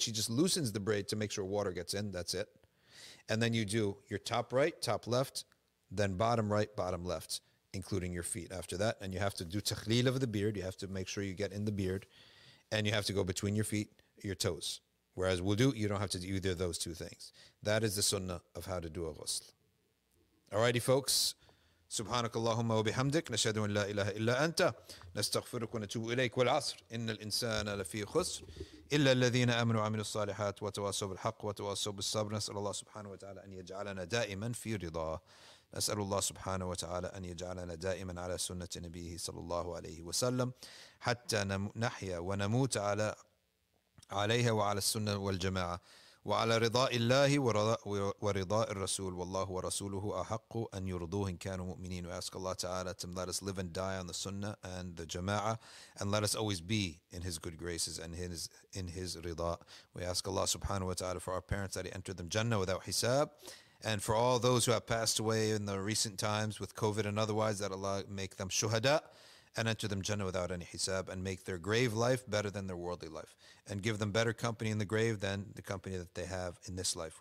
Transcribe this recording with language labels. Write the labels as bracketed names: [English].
[English] She just loosens the braid to make sure water gets in. That's it. And then you do your top right, top left, then bottom right, bottom left, including your feet after that. And you have to do takhlil of the beard. You have to make sure you get in the beard. And you have to go between your feet, your toes. Whereas wudu, you don't have to do either of those two things. That is the sunnah of how to do a ghusl. Alrighty, folks. [Arabic] سبحانك اللهم وبحمدك نشهد أن لا إله إلا أنت نستغفرك ونتوب إليك والعصر إن الإنسان لفي خسر إلا الذين آمنوا وعملوا الصالحات وتواصوا بالحق وتواصوا بالصبر نسأل الله سبحانه وتعالى أن يجعلنا دائما في رضاه نسأل الله سبحانه وتعالى أن يجعلنا دائما على سنة نبيه صلى الله عليه وسلم حتى نحيا ونموت على عليها وعلى السنة والجماعة وعلى رضاء الله ورضاء الرسول والله ورسوله أحق أن يرضوه إن كانوا مؤمنين. [English] We ask Allah Ta'ala to let us live and die on the sunnah and the jama'ah, and let us always be in His good graces and in His رضاء. We ask Allah Subhanahu wa Ta'ala for our parents that He enter them Jannah without hisab, and for all those who have passed away in the recent times with COVID and otherwise, that Allah make them shuhada and enter them Jannah without any hisab, and make their grave life better than their worldly life, and give them better company in the grave than the company that they have in this life.